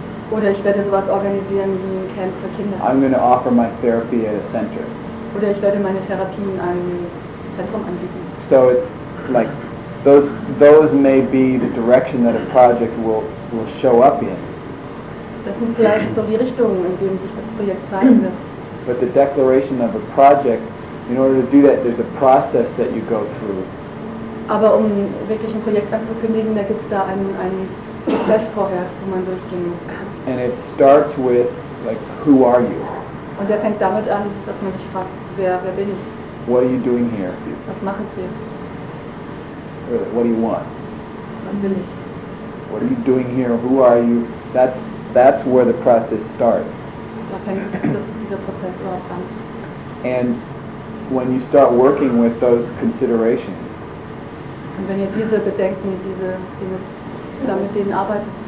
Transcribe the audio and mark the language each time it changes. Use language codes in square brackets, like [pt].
[de] Oder ich werde sowas organisieren wie ein Camp für Kinder. [en] I'm going to offer my therapy at a center. [de] Oder ich werde meine Therapie in einem Zentrum anbieten. [en] So it's like those may be the direction that a project will show up in. [de] Das sind vielleicht so die Richtungen, in denen sich das Projekt zeigen wird. [en] But the declaration of a project, in order to do that, there's a process that you go through. [de] Aber um wirklich ein Projekt anzukündigen, da gibt es da einen Prozess vorher, wo man durchgehen muss. [en] And it starts with, like, who are you? [de] Und der fängt damit an, dass man sich fragt, wer bin ich? [en] What are you doing here? [de] Was mache ich hier? [en] What do you want? [de] Was bin ich? [en] What are you doing here? Who are you? That's where the process starts. [de] Da fängt dieser Prozess dort an. [en] And when you start working with those considerations, [de] und wenn ihr diese Bedenken, diese damit denen arbeitet,